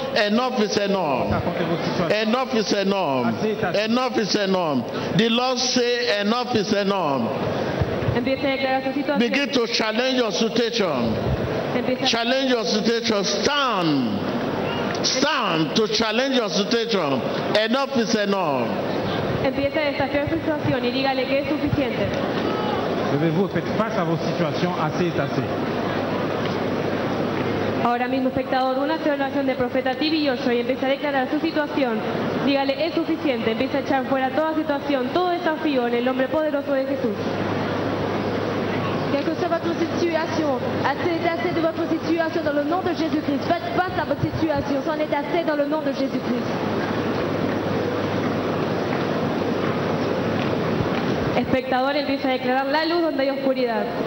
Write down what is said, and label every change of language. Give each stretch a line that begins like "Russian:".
English: Enough is enough. Enough is enough. Enough is enough. The Lord say enough is enough. Begin to challenge your situation. Challenge your situation. Stand. Stand to challenge your situation. Enough is enough.
Spanish: Empiece a desafiar su situación y dígale que es suficiente.
French: Levez-vous, faites face à vos situations, assez est assez.
Spanish: Ahora mismo, espectador, una celebración de profeta TV y Joshua y empieza a declarar su situación. Dígale, es suficiente. Empieza a echar fuera toda situación, todo desafío en el nombre poderoso de Jesús.
French: Quelle que soit votre situation, assez est assez de votre situation dans le nom de Jésus-Christ. Faites face à votre situation, c'en est assez dans le nom de Jésus-Christ.
Spanish: Espectador empieza a declarar la luz donde hay oscuridad.